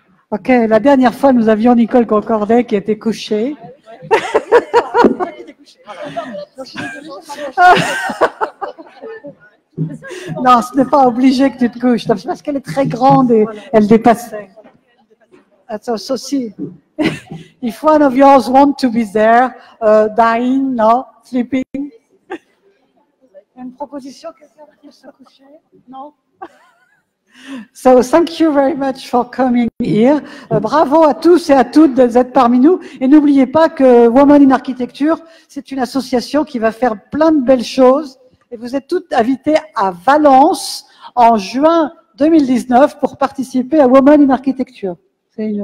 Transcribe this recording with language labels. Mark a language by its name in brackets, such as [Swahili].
[French] Ok, la dernière fois, nous avions Nicole Concordet qui était couchée. Non, ce n'est pas obligé que tu te couches. C'est parce qu'elle est très grande et elle dépasse. Attends, ceci. [English] If one of yours want to be there, dying, no, sleeping. [French] Une proposition, quelqu'un qui se coucher? Non. [English] So thank you very much for coming here. [French] Bravo à tous et à toutes d'être parmi nous. Et n'oubliez pas que Women in Architecture, c'est une association qui va faire plein de belles choses. Et vous êtes toutes invitées à Valence en juin 2019 pour participer à Women in Architecture. C'est